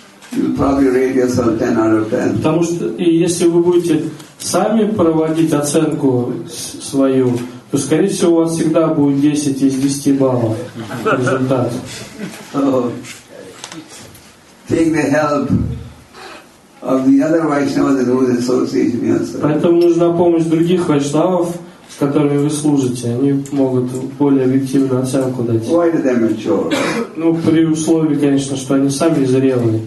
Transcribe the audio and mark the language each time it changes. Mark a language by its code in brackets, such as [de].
[ru] Потому что если вы будете сами проводить оценку свою, то, скорее всего, у вас всегда будет 10 из 10 баллов результат. [en] Take the help of the other Vaishnavas who are associated with us. [ru] Поэтому нужна помощь других вайшнавов, с которыми вы служите, они могут более объективную оценку дать. [en] Why do they mature? [ru] Ну, при условии, конечно, что они сами зрелые.